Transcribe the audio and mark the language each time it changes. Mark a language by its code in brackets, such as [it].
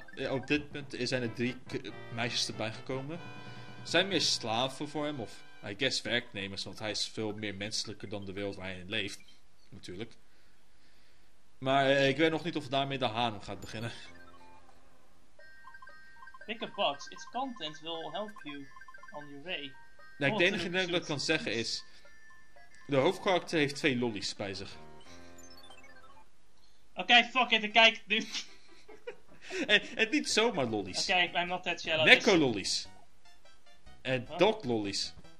[nl] Op dit punt zijn er drie meisjes erbij gekomen. Zijn meer slaven voor hem, of [en] I guess [nl] werknemers, want hij is veel meer menselijker dan de wereld waar hij in leeft. Natuurlijk. Maar ik weet nog niet of daarmee de haan gaat beginnen. [en] Pick a box, its content will help you on your way. [nl] Het enige ding dat ik kan zeggen is: de hoofdkarakter heeft twee lollies bij zich. Oké, [en] fuck it, [nl] ik kijk nu. En niet zomaar lollies. [en] Oké, I'm not that shallow. [nl] Neko lollies. En huh? Dog lollies.